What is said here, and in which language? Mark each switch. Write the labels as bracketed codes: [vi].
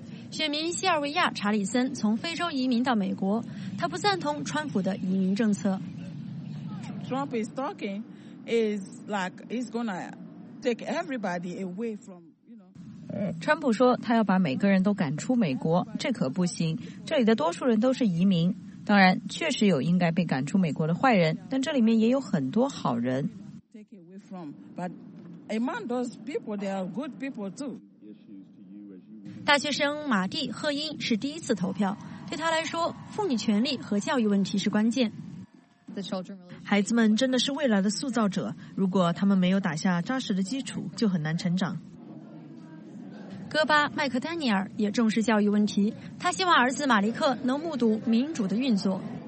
[zh] 选民西尔维亚·查里森从非洲移民到美国，他不赞同川普的移民政策。 [en] Trump is talking is like he's gonna take everybody away from, you know. [zh] 川普说他要把每个人都赶出美国，这可不行。这里的多数人都是移民，当然确实有应该被赶出美国的坏人，但这里面也有很多好人。 [en] Take away from, but among those people there are good people too. [zh] 大学生马蒂·赫因是第一次投票，对他来说，妇女权利和教育问题是关键。孩子们真的是未来的塑造者，如果他们没有打下扎实的基础，就很难成长。戈巴·麦克丹尼尔也重视教育问题，他希望儿子马利克能目睹民主的运作。